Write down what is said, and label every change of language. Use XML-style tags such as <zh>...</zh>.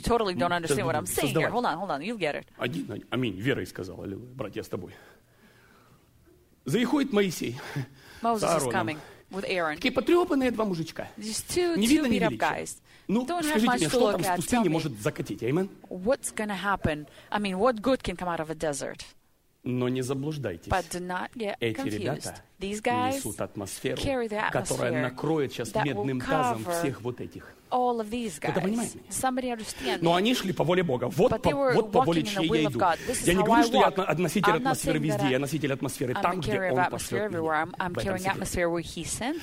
<en>Totally don't understand what I'm saying here. Hold on, you'll get it.</en> <ru>Один аминь, верой сказал, аллилуйя, братья с тобой. Заходит Моисей.</ru> <en>Moses is coming with Aaron.</en> <ru>Такие потрепанные два мужичка. Не видно ни величия. Ну, скажите мне, что там в пустыне может закатить?</ru> <en>Amen? What's gonna happen? I mean, what good can come out of a desert?</en> <ru>Но не заблуждайтесь.</ru> <en>But do not get confused.</en> <ru>Эти ребята несут атмосферу, которая накроет сейчас медным тазом всех вот этих.</ru> <en>All of these guys.</en> <ru>Кто-то понимает меня?</ru> <en>Somebody understand me.</en> <ru>Но они шли по воле Бога. Вот по воле, чьей я иду. Я не говорю, что я носитель атмосферы везде. Я носитель атмосферы там, где Он пошлет меня.</ru>